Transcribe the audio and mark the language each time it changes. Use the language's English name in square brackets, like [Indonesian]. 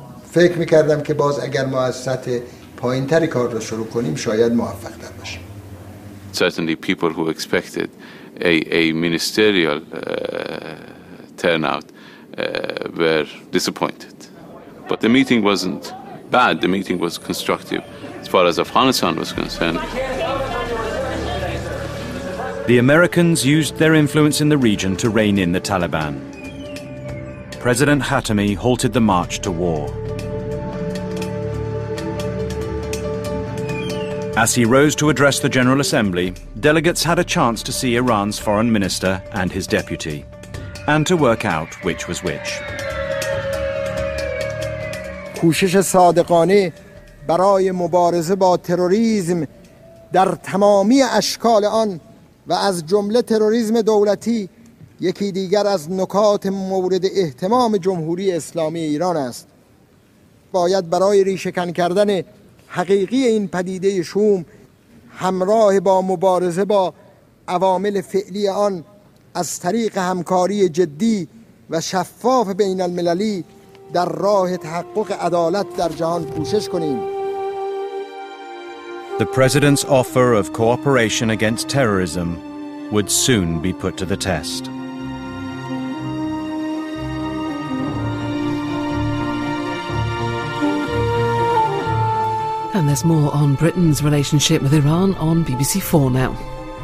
[Persian] فکر می‌کردم که باز اگر ما از سطح پایین‌تری کار رو شروع کنیم شاید موفق‌تر باشیم. [English] Certainly people who expected a ministerial turnout were disappointed. But the meeting wasn't bad, the meeting was constructive as far as Afghanistan was concerned. The Americans used their influence in the region to rein in the Taliban. President Khatami halted the march to war. As he rose to address the General Assembly, delegates had a chance to see Iran's foreign minister and his deputy, and to work out which was which. [Persian] کوشش صادقانه برای مبارزه با تروریسم در تمامی اشکال آن و از جمله تروریسم دولتی یکی دیگر از نکات مورد اهتمام جمهوری اسلامی ایران است. باید برای ریشه‌کن کردن حقیقی این پدیده شوم همراه با مبارزه با عوامل فعلی آن از طریق همکاری جدی و شفاف بین المللی در راه تحقق عدالت در جهان کوشش کنیم. [English] The president's offer of cooperation against terrorism would soon be put to the test. And there's more on Britain's relationship with Iran on BBC4 now.